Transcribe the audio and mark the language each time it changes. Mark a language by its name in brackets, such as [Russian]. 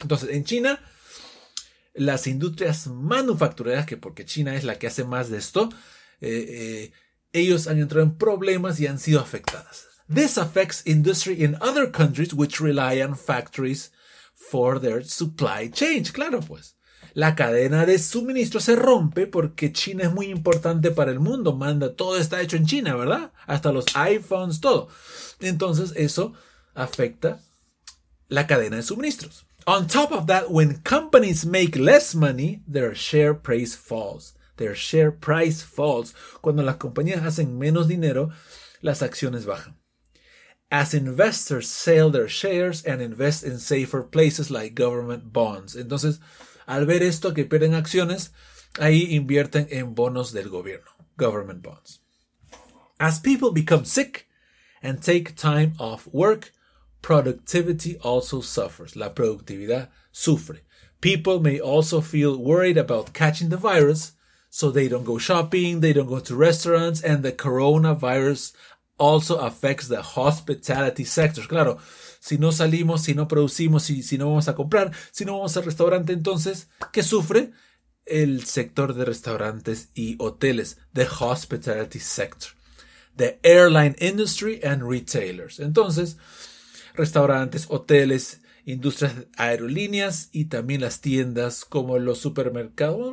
[Spanish] Entonces, en China, las industrias manufactureras, que porque China es la que hace más de esto, ellos han entrado en problemas y han sido afectadas. [English] This affects industry in other countries which rely on factories for their supply chain. [Spanish] Claro, pues. La cadena de suministro se rompe porque China es muy importante para el mundo. Manda, todo está hecho en China, ¿verdad? Hasta los iPhones, todo. Entonces, eso afecta la cadena de suministros. [English] On top of that, when companies make less money, their share price falls. Their share price falls. [Spanish] Cuando las compañías hacen menos dinero, las acciones bajan. [English] As investors sell their shares and invest in safer places like government bonds. [Spanish] Entonces, al ver esto que pierden acciones, ahí invierten en bonos del gobierno. [English] Government bonds. As people become sick and take time off work, productivity also suffers. [Spanish] La productividad sufre. [English] People may also feel worried about catching the virus, so they don't go shopping, they don't go to restaurants, and the coronavirus also affects the hospitality sector. [Spanish] Claro, si no salimos, si no producimos, si no vamos a comprar, si no vamos al restaurante, entonces, ¿qué sufre? El sector de restaurantes y hoteles, [English] the hospitality sector, the airline industry and retailers. [Spanish] Entonces, restaurantes, hoteles, industrias aerolíneas y también las tiendas como los supermercados.